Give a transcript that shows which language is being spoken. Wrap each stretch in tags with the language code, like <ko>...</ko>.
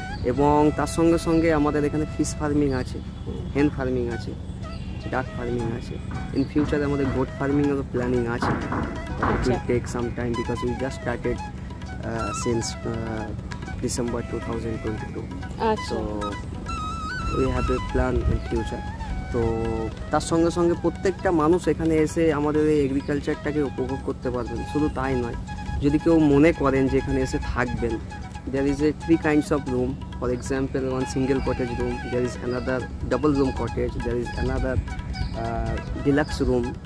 <bn>এবং তার সঙ্গে সঙ্গে আমাদের এখানে ফিশ ফার্মিং আছে, হেন ফার্মিং আছে, ডাক ফার্মিং আছে, ইন ফিউচারে আমাদের গোট ফার্মিংয়েরও প্ল্যানিং আছে।</bn> <en>It will take some time because we just started since December 2022. So we have a plan in future.</en> <bn>তো তার সঙ্গে সঙ্গে প্রত্যেকটা মানুষ এখানে এসে আমাদের এই এগ্রিকালচারটাকে উপভোগ করতে পারবেন। শুধু তাই নয়, যদি কেউ মনে করেন যে এখানে এসে থাকবেন,</bn> <en>There is a three kinds of room, for example one single cottage room, there is another double room cottage, there is another deluxe room.</en>